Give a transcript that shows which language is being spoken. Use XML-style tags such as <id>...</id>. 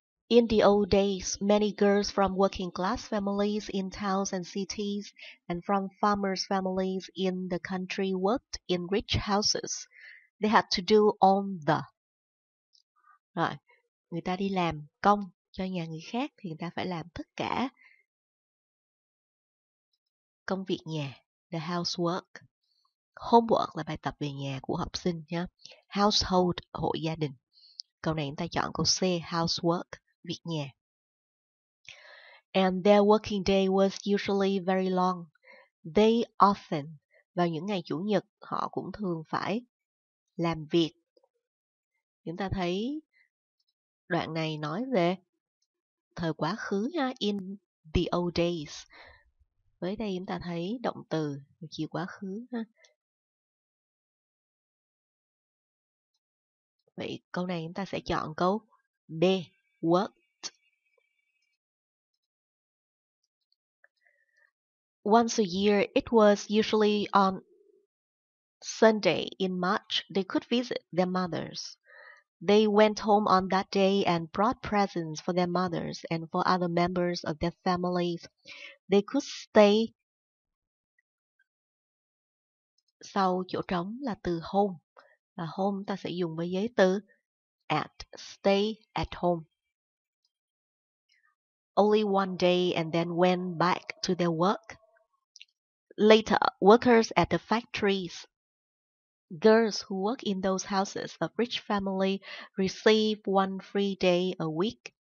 <en>In the old days, many girls from working class families in towns and cities and from farmers' families in the country worked in rich houses. They had to do all the.</en> <vi>Rồi, người ta đi làm công cho nhà người khác thì người ta phải làm tất cả công việc nhà,</vi> <en>the housework.</en> <vi>Homework là bài tập về nhà của học sinh nhé. Household, hộ gia đình. Câu này chúng ta chọn câu C, housework. Việc nhà.</vi> <en>And their working day was usually very long. They often,</en> <vi>vào những ngày chủ nhật, họ cũng thường phải làm việc. Chúng ta thấy đoạn này nói về thời quá khứ,</vi> <en>in the old days.</en> <vi>Với đây chúng ta thấy động từ, chỉ quá khứ. Vậy câu này chúng ta sẽ chọn câu B, work.</vi> <en>Once a year, it was usually on Sunday in March, they could visit their mothers. They went home on that day and brought presents for their mothers and for other members of their families. They could stay.</en> <vi>Sau chỗ trống là từ home. Và home ta sẽ dùng với giới từ at,</vi> <en>stay at home. Only one day and then went back to their work. Later, workers at the factories, girls who work in those houses of rich family receive one free day a week.</en>